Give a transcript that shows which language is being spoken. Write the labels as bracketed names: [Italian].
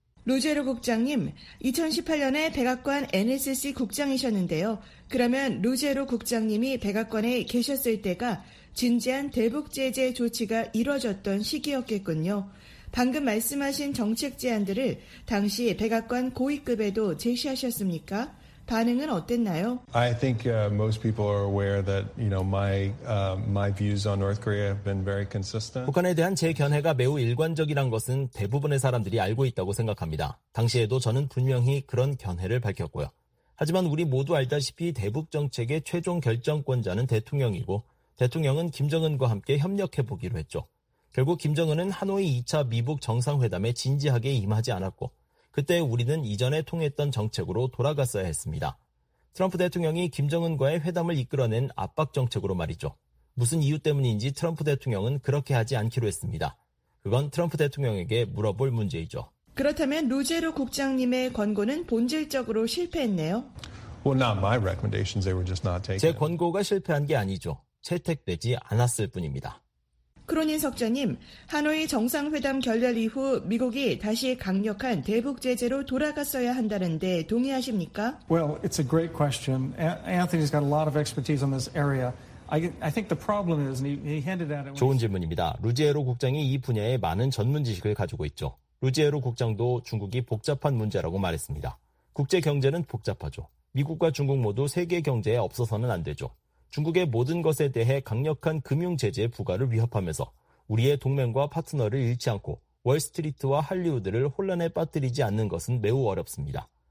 [Korean] 로제르 국장님, 2018년에 백악관 NSC 국장이셨는데요. 그러면 로제르 국장님이 백악관에 계셨을 때가 진지한 대북 제재 조치가 이뤄졌던 시기였겠군요. 방금 말씀하신 정책 제안들을 당시 백악관 고위급에도 제시하셨습니까? 반응은 어땠나요? [English] I think most people are aware that you know my views on North Korea have been very consistent. [Korean] 북한에 대한 제 견해가 매우 일관적이란 것은 대부분의 사람들이 알고 있다고 생각합니다. 당시에도 저는 분명히 그런 견해를 밝혔고요. 하지만 우리 모두 알다시피 대북 정책의 최종 결정권자는 대통령이고 대통령은 김정은과 함께 협력해 보기로 했죠. 결국 김정은은 하노이 2차 미북 정상회담에 진지하게 임하지 않았고 그때 우리는 이전에 통했던 정책으로 돌아갔어야 했습니다. 트럼프 대통령이 김정은과의 회담을 이끌어낸 압박 정책으로 말이죠. 무슨 이유 때문인지 트럼프 대통령은 그렇게 하지 않기로 했습니다. 그건 트럼프 대통령에게 물어볼 문제이죠. 그렇다면 로제르 국장님의 권고는 본질적으로 실패했네요? [English] Well, not my recommendations. They were just not taken. [Korean] 제 권고가 실패한 게 아니죠. 채택되지 않았을 뿐입니다. 크로닌 석자님, 하노이 정상회담 결렬 이후 미국이 다시 강력한 대북 제재로 돌아갔어야 한다는데 동의하십니까? [English] Well, it's a great question. Anthony's got a lot of expertise on this area. I think the problem is he handed out. [Korean] 좋은 질문입니다. 루지에로 국장이 이 분야에 많은 전문 지식을 가지고 있죠. 루지에로 국장도 중국이 복잡한 문제라고 말했습니다. 국제 경제는 복잡하죠. 미국과 중국 모두 세계 경제에 없어서는 안 되죠. 중국의 모든 것에 대해 강력한 금융 제재 부과를 위협하면서 우리의 동맹과 파트너를 잃지 않고 월스트리트와 할리우드를 혼란에 빠뜨리지 않는 것은 매우 어렵습니다.